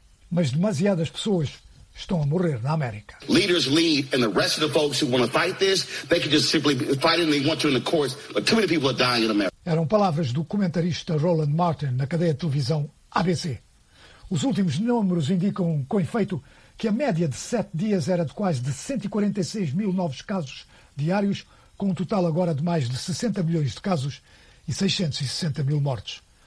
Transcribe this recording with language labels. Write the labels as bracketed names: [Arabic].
[Portuguese] Mas demasiadas pessoas estão a morrer na América. [English] Leaders lead and the rest of the folks who want to fight this, they can just simply fight and they want to in the courts, but too many people are dying in America. [Portuguese] Eram palavras do comentarista Roland Martin na cadeia de televisão ABC. Os últimos números indicam, com efeito, que a média de 7 dias era de quase de 146 mil novos casos diários, com um total agora de mais de 60 milhões de casos e 660 mil mortes.